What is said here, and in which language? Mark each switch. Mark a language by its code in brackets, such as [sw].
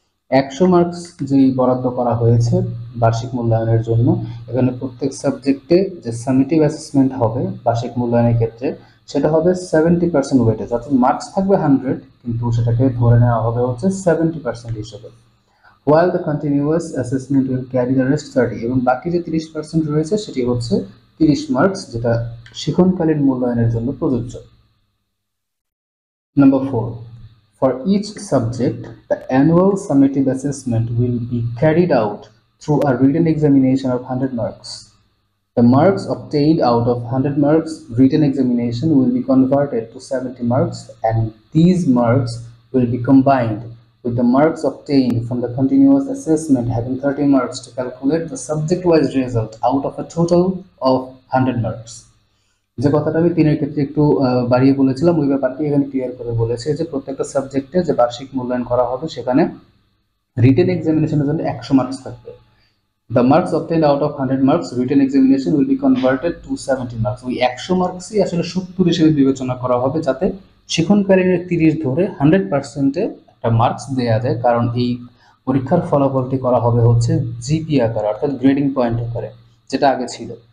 [bn] 100 marks যেই বরাদ্দ করা হয়েছে বার্ষিক মূল্যায়নের জন্য, এখানে প্রত্যেক সাবজেক্টে যে সামিটিভ অ্যাসেসমেন্ট হবে বার্ষিক মূল্যায়নের ক্ষেত্রে, সেটা হবে 70% ওয়েটেজ, অর্থাৎ মার্কস থাকবে 100, কিন্তু সেটাকে ধরে নেওয়া হবে হচ্ছে 70% হিসেবে, [en] while the continuous assessment will carry the rest [bn] 30, এবং বাকি যে 30% রয়েছে সেটি হচ্ছে 30 মার্কস, যেটা শিখনকালীন মূল্যায়নের জন্য প্রযোজ্য। [en] Number 4, for each subject the annual summative assessment will be carried out through a written examination of 100 marks. The marks obtained out of 100 marks written examination will be converted to 70 marks, and these marks will be combined with the marks obtained from the continuous assessment having 30 marks to calculate the subject wise result out of a total of 100 marks. [bn] যে কথাটা আমি তিনের ক্ষেত্রে একটু বাড়িয়ে বলেছিলাম, ওই ব্যাপারটি এখানে ক্লিয়ার করে বলেছে যে প্রত্যেকটা সাবজেক্টে যে বার্ষিক মূল্যায়ন করা হবে সেখানে রিটেন এক্সামিনেশনের জন্য 100 মার্কস থাকবে। [en] The marks obtained out of 100 marks written examination will be converted to 70 marks. [bn] ওই 100 মার্কসই আসলে সত্তর হিসেবে বিবেচনা করা হবে, যাতে শিখনকারীর 30 ধরে 100% একটা মার্কস দেওয়া যায়, কারণ এই পরীক্ষার ফলাফলটি করা হবে হচ্ছে জিপি আকারে, অর্থাৎ গ্রেডিং পয়েন্ট আকারে, যেটা আগে ছিল।